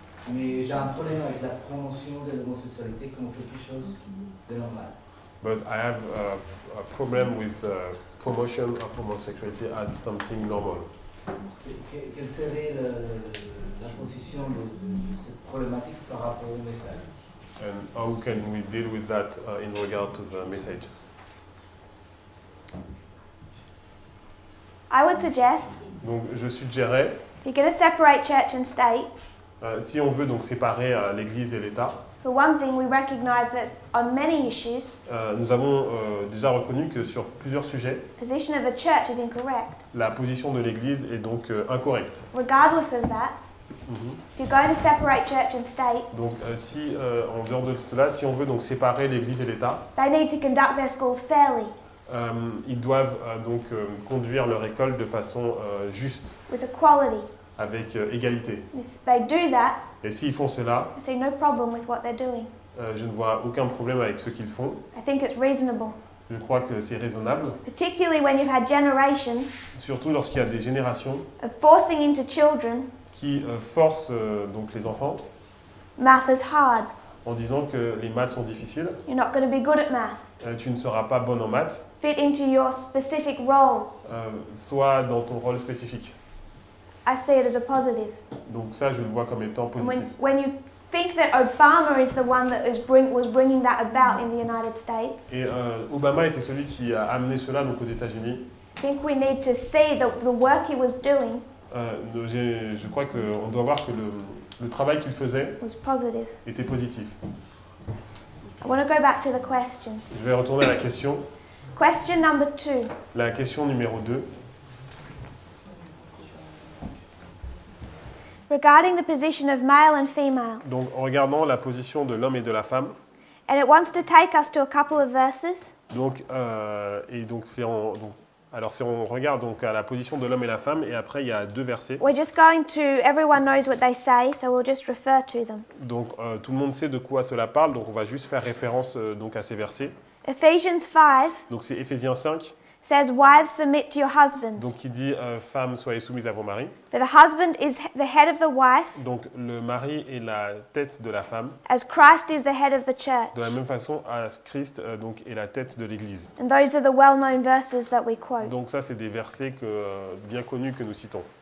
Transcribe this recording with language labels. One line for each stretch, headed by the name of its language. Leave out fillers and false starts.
French: Mais j'ai un problème avec la promotion de l'homosexualité comme quelque chose de normal.
English: But I have a problem with the promotion of homosexuality as something normal.
French: Quelle serait la position de cette problématique par rapport au message?
English: And how can we deal with that in regard to the message? I would suggest.
French: Donc je suggérerais.
English: You're going to separate church and state.
French: Si on veut donc séparer l'Église et l'État,
English: for one thing, we recognize that on many issues,
French: nous avons déjà reconnu que sur plusieurs sujets,
English: position of the church is incorrect.
French: La position de l'Église est donc incorrecte.
English: Regardless of that, if you're going to separate church and state,
French: donc si en dehors de cela, si on veut donc séparer l'Église et l'État,
English: they need to conduct their schools fairly.
French: Ils doivent donc conduire leur école de façon juste.
English: With equality.
French: Avec égalité.
English: If they do that,
French: et s'ils font cela,
English: I see no problem with what they're doing.
French: Je ne vois aucun problème avec ce qu'ils font.
English: I think it's reasonable.
French: Je crois que c'est raisonnable.
English: Particularly when you've had generations,
French: surtout lorsqu'il y a des générations
English: of forcing into children,
French: qui forcent donc les enfants,
English: math is hard.
French: En disant que les maths sont difficiles.
English: You're not going to be good at math.
French: Tu ne seras pas bon en maths.
English: Fit into your specific role.
French: Soit dans ton rôle spécifique.
English: I see it as a positive.
French: Donc ça, je le vois comme étant positif.
English: When you think that Obama is the one that was bringing that about in the United States.
French: Et Obama était celui qui a amené cela donc aux États-Unis.
English: I think we need to see the work he was doing.
French: Je crois que on doit voir que le travail qu'il faisait
English: was positive.
French: Était positif.
English: I want to go back to the question.
French: Je vais retourner à la question.
English: Question number two.
French: La question numéro 2.
English: Regarding the position of male and female.
French: Donc, en regardant la position de l'homme et de la femme.
English: And it wants to take us to a couple of verses.
French: Donc, si on regarde donc à la position de l'homme et la femme, et après il y a deux versets.
English: We're just going to. Everyone knows what they say, so we'll just refer to them.
French: Donc, tout le monde sait de quoi cela parle, donc on va juste faire référence donc à ces versets.
English: Ephesians 5.
French: Donc, c'est Éphésiens 5.
English: Says wives submit to your husbands.
French: Donc il dit femmes soyez soumises à vos maris.
English: For the husband is the head of the wife.
French: Donc le mari est la tête de la femme.
English: As Christ is the head of the church.
French: De la même façon
English: as Christ
French: donc est la tête de l'Église.
English: And those are the well-known verses that we quote.
French: Donc ça c'est des versets que bien connus que nous citons.